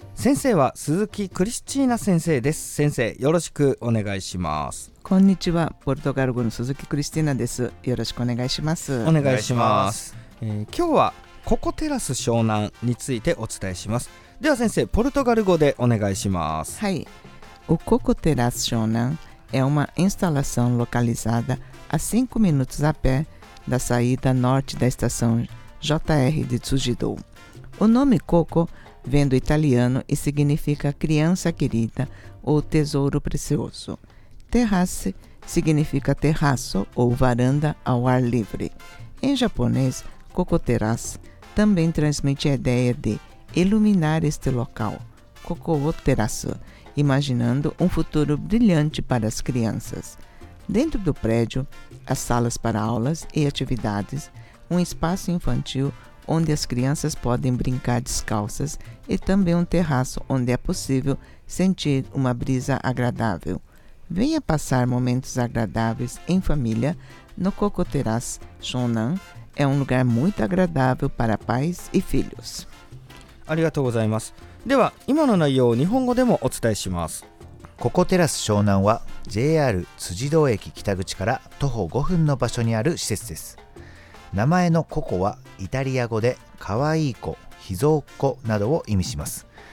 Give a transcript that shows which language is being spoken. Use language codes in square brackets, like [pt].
[ja] 先生は鈴木クリスチーナ先生です。先生よろしくお願いします。こんにちは、ポルトガル語の鈴木クリスチーナです。よろしくお願いします。お願いします。今日はココテラス湘南についてお伝えします。では先生、ポルトガル語でお願いします。はい。 [pt] O Coco Terraço Xonan é uma instalação localizada a 5 minutos a pé da saída norte da estação JR de Tsujidou. O nome Coco vem do italiano e significa criança querida ou tesouro precioso. Terrace significa terraço ou varanda ao ar livre. Em japonês, Coco Terraço também transmite a ideia de iluminar este local, Coco Terraço, imaginando um futuro brilhante para as crianças. Dentro do prédio, há salas para aulas e atividades, um espaço infantil onde as crianças podem brincar descalças e também um terraço onde é possível sentir uma brisa agradável. Venha passar momentos agradáveis em família no Coco Terraço Shonan. É um lugar muito agradável para pais e filhos. Obrigado. [ja] では今の内容を日本語でもお伝えします。ココテラス湘南は JR 辻堂駅北口から徒歩5分の場所にある施設です。名前のココはイタリア語で可愛い子、秘蔵子などを意味します。